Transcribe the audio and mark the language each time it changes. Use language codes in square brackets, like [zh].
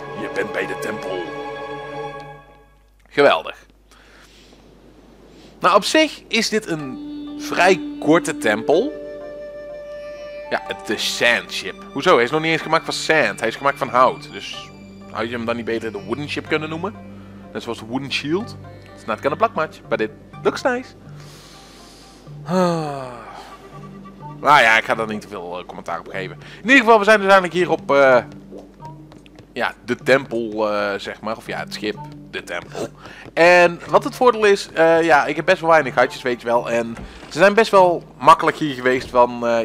[nl] Je bent bij de tempel. Geweldig. Nou, op zich is dit een vrij korte tempel. Ja, de Sand Ship. Hoezo? Hij is nog niet eens gemaakt van sand. Hij is gemaakt van hout. Dus had je hem dan niet beter de Wooden Ship kunnen noemen? Net zoals de Wooden Shield. [en] It's not gonna block much, but it looks nice. [nl] Nou ja, ik ga daar niet te veel commentaar op geven. In ieder geval, we zijn dus eigenlijk hier op... ja, de tempel, zeg maar. Of ja, het schip, de tempel. En wat het voordeel is... ja, ik heb best wel weinig hartjes, weet je wel. En ze zijn best wel makkelijk hier geweest van...